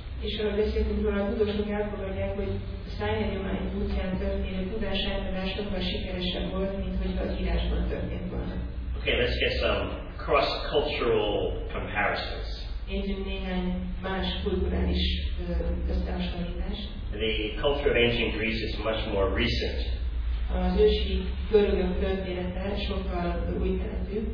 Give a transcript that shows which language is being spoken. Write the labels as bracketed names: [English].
[Hungarian] És ahogy beszéltünk róla, a tudósok elfogadják, hogy a szájhagyomány útján történő tudás átadás sokkal sikeresebb volt, mint hogy az írásban történt volna. [English] Okay, let's get some cross-cultural comparisons. [Hungarian] Nézzük néhány más kulturális összehasonlítást. [English] The culture of ancient Greece is much more recent. [Hungarian] Az ősi görögök története sokkal új keletű.